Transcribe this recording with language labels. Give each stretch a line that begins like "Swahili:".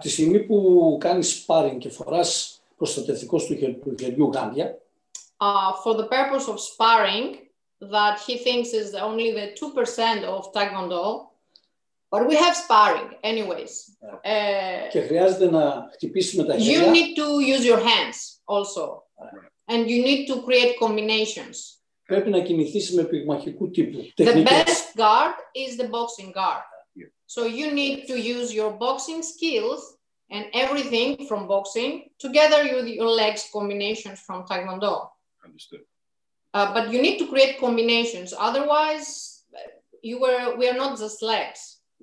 Greek: τη στιγμή που κάνεις sparring και φοράς προστατευτικό στο χεριού γάντια.
English: For the purpose of sparring, that he thinks is only the 2% of Taekwondo, but we have sparring anyways.
Greek: Και χρειάζεται να χτυπήσεις με τα χέρια.
English: You need to use your hands also. And you need to create combinations.
Greek: Πρέπει να κινηθείς με πυγμαχικού τύπου.
English: The best guard is the boxing guard. So you need to use your boxing skills and everything from boxing together with your legs combinations from Taekwondo. Understood. But you need to create combinations. Otherwise, we are not just legs.